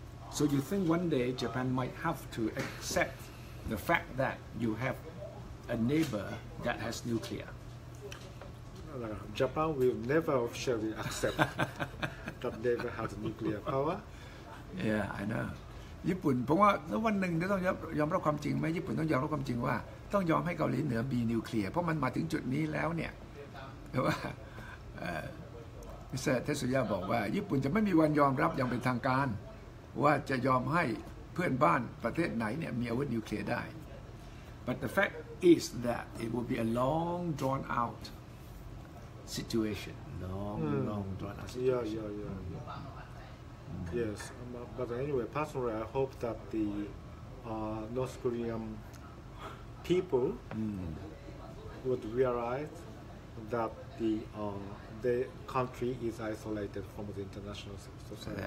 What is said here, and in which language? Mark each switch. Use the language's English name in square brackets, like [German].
[English] So you think one day Japan might have to accept the fact that you have a neighbor that has nuclear? Japan will never officially accept that neighbor has nuclear power. Yeah, I know. [Thai] ญี่ปุ่นผมว่าวันหนึ่งต้องยอมรับความจริงไหมญี่ปุ่นต้องยอมรับความจริงว่าต้องยอมให้เกาหลีเหนือมีนิวเคลียร์เพราะมันมาถึงจุดนี้แล้วเนี่ยว่ามิสเตอร์เทสุยะบอกว่าญี่ปุ่นจะไม่มีวันยอมรับอย่างเป็นทางการว่าจะยอมให้เพื่อนบ้านประเทศไหนเนี่ยมีอาวุธนิวเคลียร์ได้ [English] but the fact is that it will be a long drawn out situation long drawn out situation. Yes, but anyway, personally, I hope that the North Korean people would realize that the country is isolated from the international society.